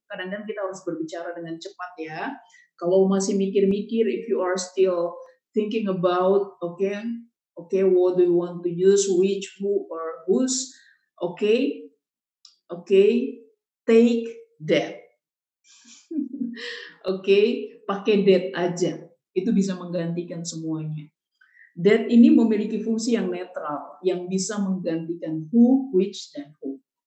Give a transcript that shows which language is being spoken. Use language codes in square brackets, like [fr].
[id] Kadang-kadang kita harus berbicara dengan cepat ya. Kalau masih mikir-mikir, [en] if you are still thinking about, okay, what do you want to use, which, who, or whose, okay, take that. [id] Okay, pakai that aja. Itu bisa menggantikan semuanya. That ini memiliki fungsi yang netral, yang bisa menggantikan who, which, dan who.